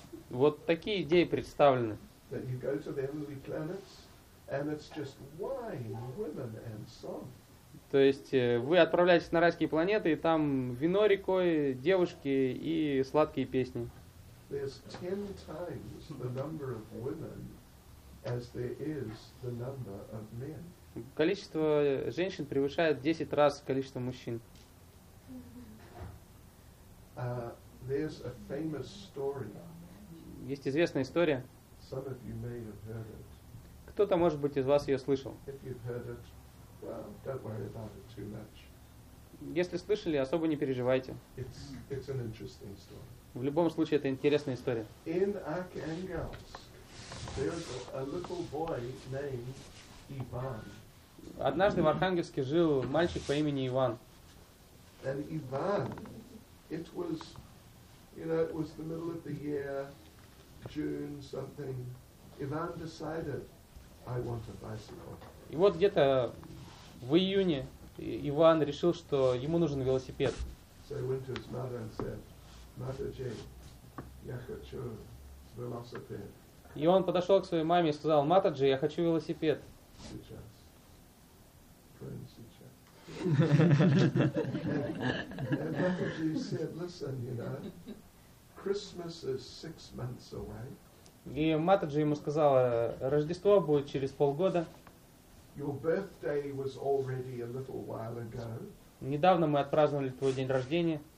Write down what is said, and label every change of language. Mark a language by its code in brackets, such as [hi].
[ru] Вот такие идеи представлены. [en] That you go to the heavenly planets, and it's just wine, women, and song. [ru] То есть вы отправляетесь на райские планеты, и там вино рекой, девушки и сладкие песни. Количество женщин превышает 10 раз количество мужчин. Есть известная история. [en] С Some of you may have heard it. [ru] Кто-то, может быть, из вас ее слышал. [en] If you've heard it, well, don't worry about it too much. [ru] Если слышали, особо не переживайте. [en] It's an interesting story. [ru] В любом случае, это интересная история. [en] In Arkhangelsk, there's a little boy named Ivan. [ru] Однажды в Архангельске жил мальчик по имени Иван. [en] And Ivan, it was, you know, it was the middle of the year, June something. Ivan decided, I want a bicycle. [ru] И вот где-то в июне Иван решил, что ему нужен велосипед. [en] So he went to his mother and said, Mother G, [ru] я хочу велосипед. И он подошел к своей маме и сказал, Mother G, я хочу велосипед. Сейчас. Прямо сейчас. [en] And Mother G said, listen, you know, Christmas is 6 months away. [ru] И Mother G ему сказала, Рождество будет через полгода. [en] Your birthday was already a little while ago. [ru] Недавно мы отпраздновали твой день рождения.